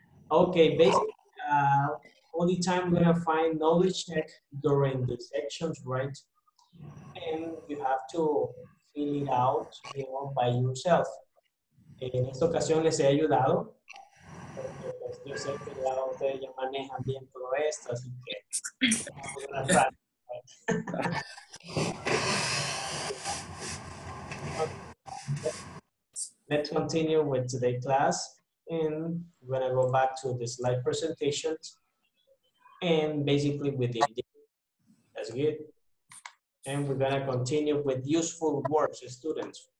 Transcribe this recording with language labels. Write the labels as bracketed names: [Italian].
[English] Okay, basically, only time we're gonna find knowledge check during the sections, right? And you have to fill it out, you know, by yourself. [Spanish] En esta ocasión les he ayudado, porque pues, yo sé que ya ustedes ya manejan bien todo esto, así que. [English] Let's continue with today's class, and we're gonna go back to the slide presentations, and basically with the idea. That's good. And we're gonna continue with useful words, students.